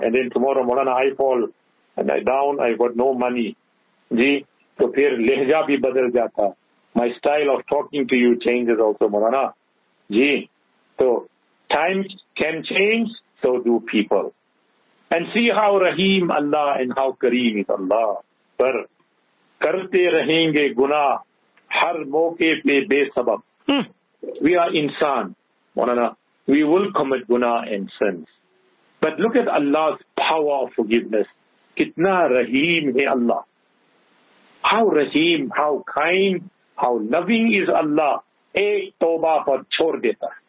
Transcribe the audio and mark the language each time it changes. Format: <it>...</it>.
<en>And then tomorrow, مولانا, I fall and I down, I got no money.</en> <ur>جی. تو پھر لہجہ بھی بدل جاتا.</ur> <en>My style of talking to you changes also, مولانا.</en> <ur>جی.</ur> <en>تو time can change, so do people. And see how Rahim Allah and how Kareem is Allah.</en> <ur>پر کرتے رہیں گے گناہ ہر موقع پہ بے سبب.</ur> <en>We are انسان, مولانا. We will commit guna and sins. But look at Allah's power of forgiveness.</en> <ur>کتنا رحیم ہے اللہ.</ur> <en>How رحیم, how kind, how loving is Allah.</en> <ur>ایک توبہ پر چھوڑ دیتا.</ur>